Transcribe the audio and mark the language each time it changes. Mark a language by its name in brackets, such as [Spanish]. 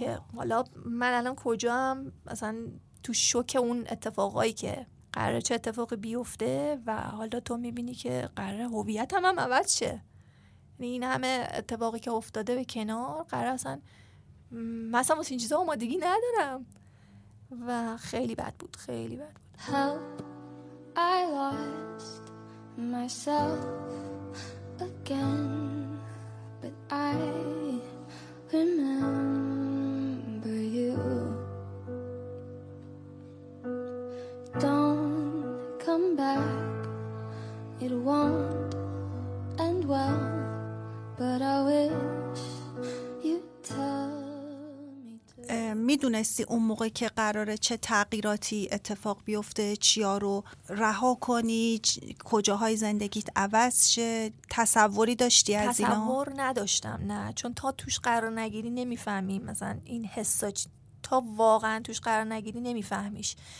[Persian] که حالا من الان کجام؟ مثلا تو شوک اون اتفاقایی که قراره چه اتفاقی بیفته و حالا تو میبینی که قراره هویتم هم عوض شه. این همه اتفاقی که افتاده به کنار، قراره اصلا مثلا واسه این چیزا آمادگی ندارم و خیلی بد بود، خیلی بد بود. [English] How I lost myself again but I remember you. Don't come back, it won't end well, but I wish you'd tell me to. [Persian] میدونستی اون موقع که قراره چه تغییراتی اتفاق بیفته، چیا رو رها کنی، کجاهای زندگیت عوض شه، تصوری داشتی از اینا؟ تصور نداشتم، نه، چون تا توش قرار نگیری نمیفهمی مثلا این حسا تا واقعا توش قرار نگیری نمیفهمیش.